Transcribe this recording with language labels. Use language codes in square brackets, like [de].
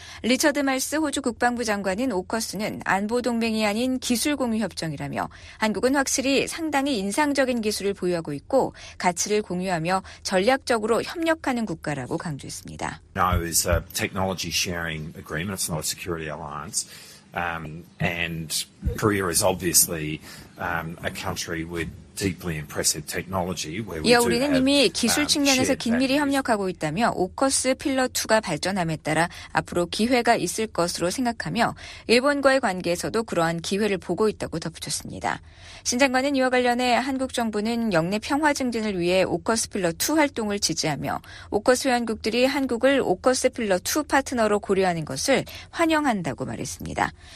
[ko] 리처드 말스 호주 국방부 장관은 오커스는 안보 동맹이 아닌 기술 공유 협정이라며 한국은 확실히 상당히 인상적인 기술을 보유하고 있고 가치를 공유하며 전략적으로 협력하는 국가라고 강조했습니다. [en] No, it's a technology sharing agreement. It's not a security alliance. And Korea is obviously a country with deeply impressive technology. Where we [ko] 이어 우리는 이미 기술 측면에서 긴밀히 협력하고 있다며 오커스 필러2가 발전함에 따라 앞으로 기회가 있을 것으로 생각하며 일본과의 관계에서도 그러한 기회를 보고 있다고 덧붙였습니다. 신 장관은 이와 관련해 한국 정부는 영내 평화 증진을 위해 오커스 필러2 활동을 지지하며 오커스 회원국들이 한국을 오커스 필러2 파트너로 고려하는 것을 환영한다고 말했습니다.